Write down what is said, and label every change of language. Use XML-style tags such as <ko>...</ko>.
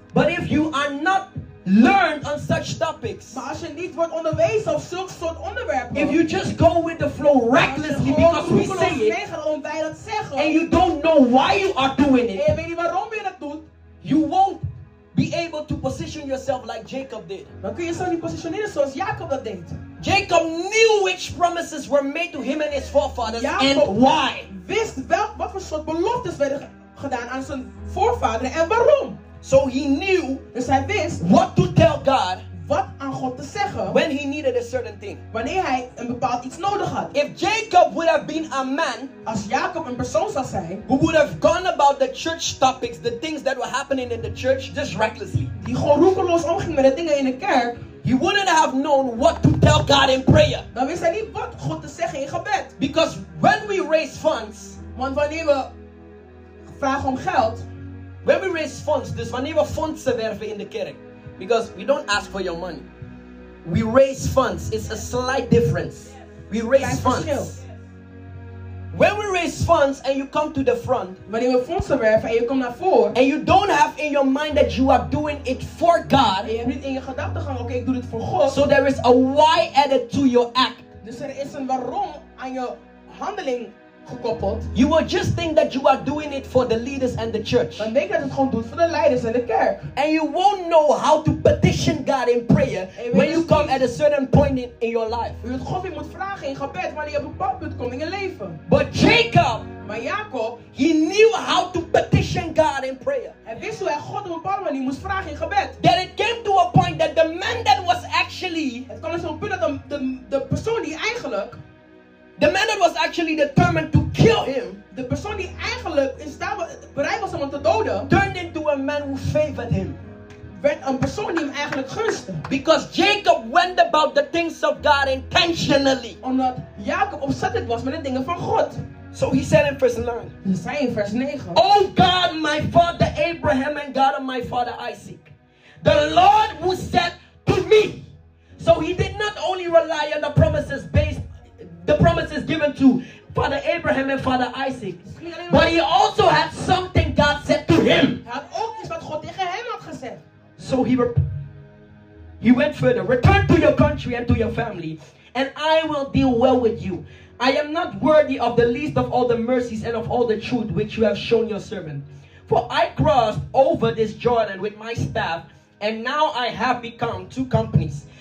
<en>But if you are not learned on such topics.</en> <nl>Maar als je niet wordt onderwezen op zulke soort onderwerpen.</nl> <en>If you just go with the flow recklessly because we say it. And you don't know why you are doing it.</en> <nl>En je weet niet waarom je dat doet.</nl> <en>You won't be able to position yourself like Jacob did.</en> <nl>Dan kun je jezelf niet positioneren zoals Jacob dat deed.</nl> <en>Jacob knew which promises were made to him and his forefathers</en> <nl>Jacob</nl> <en>and why.</en> <nl>Wist wel wat voor soort beloftes werden gedaan aan zijn voorvaderen en waarom.</nl> <en>So he knew</en> <nl>dus hij wist</nl> <en>what to tell God</en> <nl>wat aan God te zeggen</nl> <en>when he needed a certain thing.</en> <nl>Wanneer hij een bepaald iets nodig had.</nl> <en>If Jacob would have been a man,</en> <nl>als Jacob een persoon zou zijn,</nl> <en>who would have gone about the church topics, the things that were happening in the church, just recklessly.</en> <nl>Die gewoon roekeloos omging met de dingen in de kerk.</nl> <en>He wouldn't have known what to tell God in prayer.</en> <nl>Dan wist hij niet wat God te zeggen in gebed.</nl> <en>Because when we raise funds,</en> <nl>want wanneer we vragen om geld,</nl> <en>when we raise funds,</en> <nl>dus wanneer we fondsen werven in de kerk,</nl> <en>because we don't ask for your money, we raise funds. It's a slight difference. We raise funds.</en> <nl>Verschil.</nl> <en>When we raise funds and you come to the front,</en> <nl>wanneer we fondsen werven en je komt naar voren,</nl> <en>and you don't have in your mind that you are doing it for God,</en> <nl>en je hebt niet in je gedachtegang, oké, ik doe dit voor God.</nl> <en>So there is a why added to your act.</en> <nl>Dus er is een waarom aan je handeling gekoppeld.</nl> <en>You will just think that you are doing it for the leaders and the church.</en> <nl>Dan denk je dat het gewoon doet voor de leiders en de kerk.</nl> <en>And you won't know how to petition God in prayer when you come at a certain point in your life.</en> <nl>Je weet God je moet vragen in gebed wanneer je op een bepaald punt komt in je leven.</nl> <en>But Jacob,</en> <nl>maar Jacob,</nl> <en>he knew how to petition God in prayer.</en> <nl>Hij wist hoe hij God op een bepaalde manier moest vragen in gebed.</nl> <en>That it came to a point that the man that was actually,</en> <nl>het kwam dus op een punt dat de persoon die eigenlijk,</nl> <en>the man that was actually determined to kill him,</en> <nl>de persoon die eigenlijk bereid was om hem te doden,</nl> <en>turned into a man who favored him.</en> <nl>werd een persoon die hem eigenlijk gunste.</nl> <en>Because Jacob went about the things of God intentionally.</en> <nl>Omdat Jacob opzettelijk was met de dingen van God.</nl> <en>So he said in verse 9.</en> <nl>Hij zei in vers 9.</nl> <en>O God, my father Abraham and God of my father Isaac. The Lord who said to me. So he did not only rely on the promises based, the promises given to Father Abraham and Father Isaac. But he also had something God said to him.</en> <nl>Hij had ook iets wat God tegen hem had gezegd.</nl> <en>So he went further. Return to your country and to your family, and I will deal well with you. I am not worthy of the least of all the mercies and of all the truth which you have shown your servant. For I crossed over this Jordan with my staff, and now I have become two companies.</en>